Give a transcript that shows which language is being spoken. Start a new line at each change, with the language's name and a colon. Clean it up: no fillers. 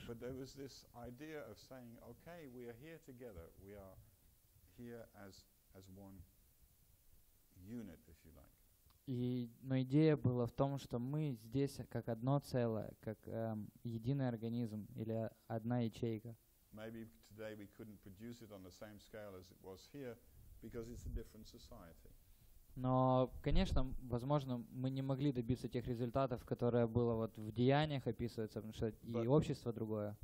English: But there was this idea of saying, okay, we are here together, we are here as one unit, if you like.
Russian: Но идея была в том, что мы здесь как одно целое, как единый организм или одна ячейка.
English: Maybe today we couldn't produce it on the same scale as it was here, because it's a different society.
Russian: Но, конечно, возможно, мы не могли добиться тех результатов, которые было вот в деяниях описывается, потому что и общество другое.